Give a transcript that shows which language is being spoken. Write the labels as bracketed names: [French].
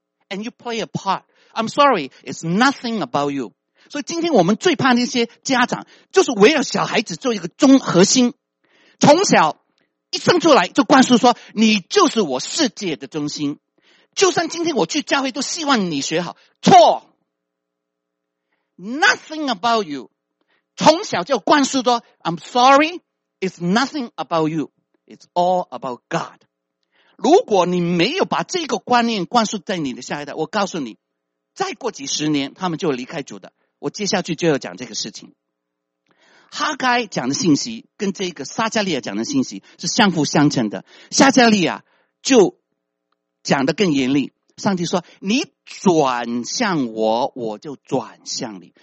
[English] And you play a part. I'm sorry, it's nothing about you. [Chinese] 所以今天我们最怕那些家长就是围绕小孩子做一个中核心，从小一生出来就灌输说你就是我世界的中心，就算今天我去教会都希望你学好。错， [English] Nothing about you. [Chinese] 从小就灌输说 [English] I'm sorry, it's nothing about you, it's all about God. [Chinese] 如果你没有把这个观念灌输在你的下一代，我告诉你，再过几十年他们就离开主的。我接下去就要讲这个事情。哈该讲的信息跟这个撒加利亚讲的信息是相辅相成的。撒加利亚就讲得更严厉，上帝说你转向我，我就转向你。